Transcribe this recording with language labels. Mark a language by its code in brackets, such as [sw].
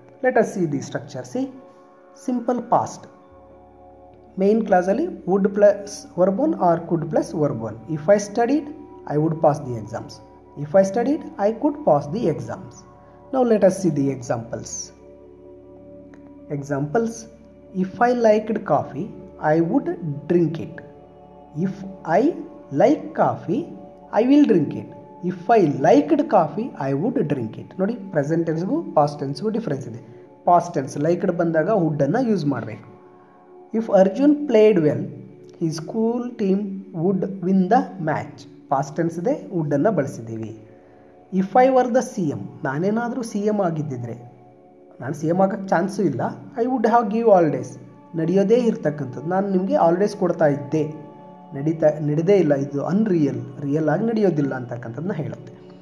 [en] Let us see the structure. See simple past, main ಕ್ಲಾಸಲ್ಲಿ would plus verb one or could plus verb one. If I studied I would pass the exams, if I studied I could pass the exams. Now let us see the examples. Examples, if I liked coffee I would drink it. If I like coffee, I will drink it. If I liked coffee, I would drink it. [kn] ನೋಡಿ, present ಟೆನ್ಸ್ಗು past ಟೆನ್ಸ್ಗೂ difference ಇದೆ. Past tense, liked ಬಂದಾಗ ವುಡ್ಡನ್ನು use ಮಾಡಬೇಕು. [en] if Arjun played well ಈ school team would win the match, [kn] past tense ಇದೆ, ವುಡ್ಡನ್ನು ಬಳಸಿದ್ದೀವಿ. [en] if I were the C M, [kn] ನಾನೇನಾದರೂ C M ಆಗಿದ್ದಿದ್ರೆ, ನಾನು C M ಆಗೋಕ್ಕೆ chance ಇಲ್ಲ, [en] I would have give all days, [kn] ನಡೆಯೋದೇ ಇರತಕ್ಕಂಥದ್ದು, ನಾನು ನಿಮಗೆ ಆಲ್ ಡೇಸ್ ಕೊಡ್ತಾ ಇದ್ದೆ, ನಡೆದೇ ಇಲ್ಲ, ಇದು ಅನ್ರಿಯಲ್, ರಿಯಲ್ ಆಗಿ ನಡೆಯೋದಿಲ್ಲ ಅಂತಕ್ಕಂಥದ್ದನ್ನ ಹೇಳುತ್ತೆ.